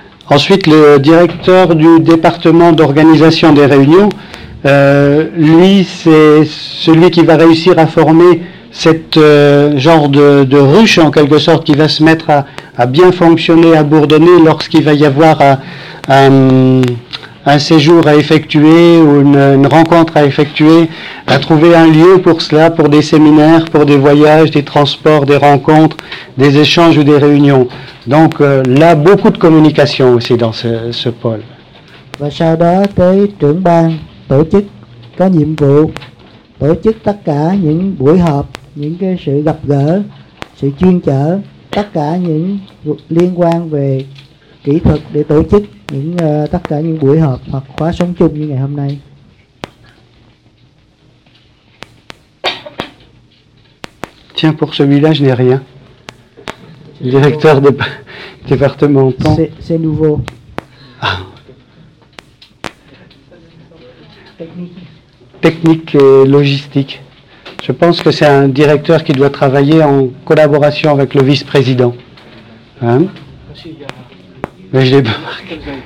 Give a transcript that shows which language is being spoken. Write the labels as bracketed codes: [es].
[fr] Ensuite, le directeur du département d'organisation des réunions, lui, c'est celui qui va réussir à former cette genre de ruche, en quelque sorte, qui va se mettre à bien fonctionner, à bourdonner lorsqu'il va y avoir un séjour à effectuer ou une rencontre à effectuer, à trouver un lieu pour cela, pour des séminaires, pour des voyages, des transports, des rencontres, des échanges ou des réunions. Donc là, beaucoup de communication aussi dans ce pôle. [vi] Và sau đó tới trưởng ban tổ chức có nhiệm vụ tổ chức tất cả những buổi họp, những cái sự gặp gỡ, sự chuyên chở, tất cả những liên quan về kỹ thuật để tổ chức những tất cả những buổi họp hoặc khóa sống chung như ngày hôm nay. [fr] Tiens, pour celui-là, je n'ai rien. Directeur de département. C'est nouveau. Ah. Technique et logistique. Je pense que c'est un directeur qui doit travailler en collaboration avec le vice-président. Hein? Mais je l'ai pas marqué.